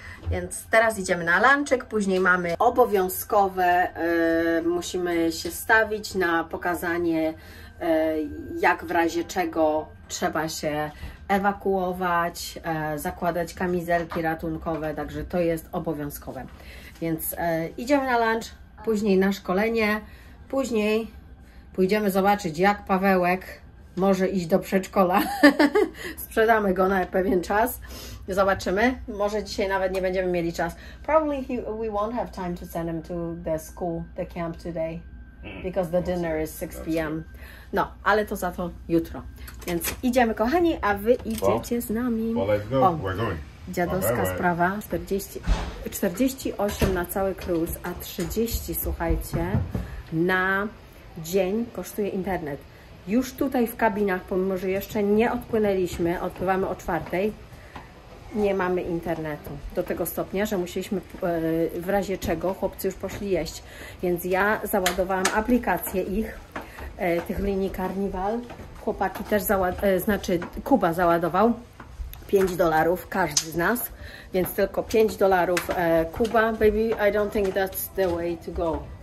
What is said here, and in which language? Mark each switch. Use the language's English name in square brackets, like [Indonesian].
[Polish] Więc teraz idziemy na lunchek, później mamy obowiązkowe, musimy się stawić na pokazanie, jak w razie czego trzeba się ewakuować, zakładać kamizelki ratunkowe, także to jest obowiązkowe. Więc idziemy na lunch, później na szkolenie, później pójdziemy zobaczyć, jak Pawełek może iść do przedszkola. Sprzedamy go na pewien czas. Zobaczymy. Może dzisiaj nawet nie będziemy mieli czas. [English] Probably we won't have time to send him to the school, the camp today. Because the dinner is 6 p.m. [Polish] No, ale to za to jutro. Więc idziemy, kochani, a wy idziecie z nami. [English] Well, let's go. We're going. [Polish] Dziadowska sprawa. 48 na cały cruise, a 30, słuchajcie, na dzień kosztuje internet. Już tutaj w kabinach, pomimo że jeszcze nie odpłynęliśmy, odpływamy o 4, nie mamy internetu. Do tego stopnia, że musieliśmy, w razie czego, chłopcy już poszli jeść. Więc ja załadowałam aplikację ich, tych linii Carnival. Chłopaki też Kuba załadował 5 dolarów, każdy z nas. Więc tylko 5 dolarów Kuba. [English] Baby, I don't think that's the way to go.